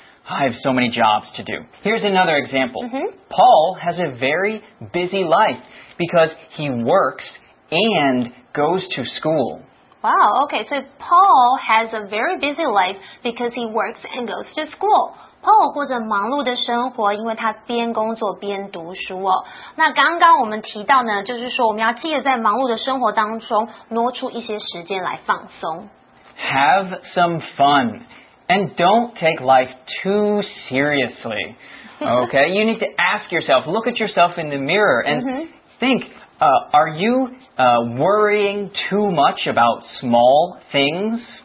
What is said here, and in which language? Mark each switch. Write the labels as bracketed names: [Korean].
[English] I have so many jobs to do. Here's another example. Paul has a very busy life because he works and goes to school. Wow, okay, so Paul has a very busy life because he works and goes to school. [Chinese] Paul 过着忙碌的生活，因为他边工作边读书哦。那刚刚我们提到呢，就是说我们要记得在忙碌的生活当中挪出一些时间来放松。 [English] Have some fun and don't take life too seriously. Okay, you need to ask yourself, look at yourself in the mirror and think, are you worrying too much about small things?